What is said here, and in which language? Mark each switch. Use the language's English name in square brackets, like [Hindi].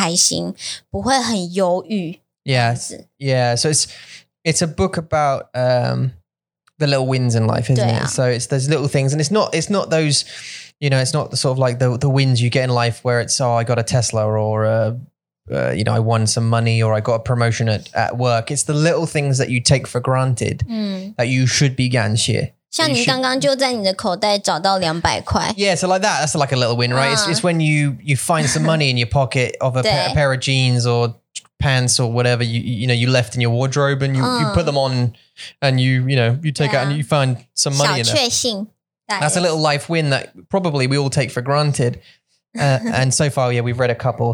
[Chinese] 这种小小的事情是可以让你的一整天变得很开心,不会很忧郁。 [English] Yes, yeah, so it's a book about the little wins in life, isn't it? So it's those little things, and it's not those... You know, it's not the sort of like the wins you get in life where it's, oh, I got a Tesla or, you know, I won some money or I got a promotion at work. It's the little things that you take for granted that you should be 感谢. [Chinese] 像你刚刚就在你的口袋找到200块. [English] Yeah, so like that, that's like a little win, right? It's when you find some money in your pocket of a pair of jeans or pants or whatever, you left in your wardrobe and you put them on and you take out and you find some money in it. That's a little life win that probably we all take for granted. And so far, yeah, we've read a couple.